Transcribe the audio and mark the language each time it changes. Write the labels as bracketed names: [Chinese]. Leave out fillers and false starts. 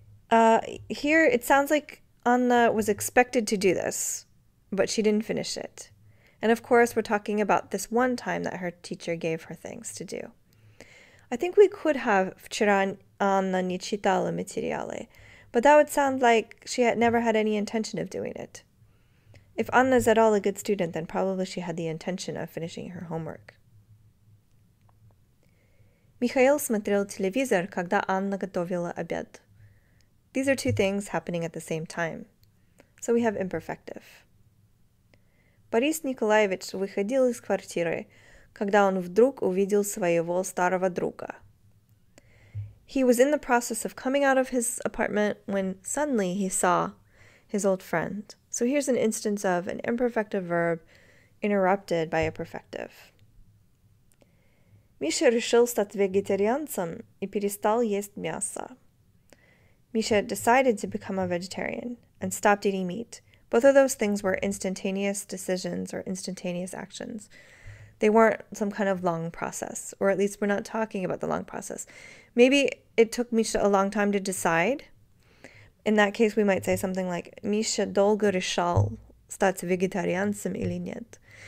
[English] Here it sounds like Anna was expected to do this, but she didn't finish it. And of course, we're talking about this one time that her teacher gave her things to do. I think we could have [Russian] вчера Анна не читала материалы, [English] but that would sound like she had never had any intention of doing it. If Anna's at all a good student, then probably she had the intention of finishing her homework. [Russian] Михаил смотрел телевизор, когда Анна готовила обед. [English] These are two things happening at the same time. So we have imperfective. [Russian] Борис Николаевич выходил из квартиры, когда он вдруг увидел своего старого друга. [English] He was in the process of coming out of his apartment when suddenly he saw his old friend. So here's an instance of an imperfective verb interrupted by a perfective. [Russian] Миша решил стать вегетарианцем и перестал есть мясо. [English] Misha decided to become a vegetarian and stopped eating meat. Both of those things were instantaneous decisions or instantaneous actions. They weren't some kind of long process, or at least we're not talking about the long process. Maybe it took Misha a long time to decide. In that case, we might say something like, Misha [Russian] долго решал стать вегетарианцем или нет.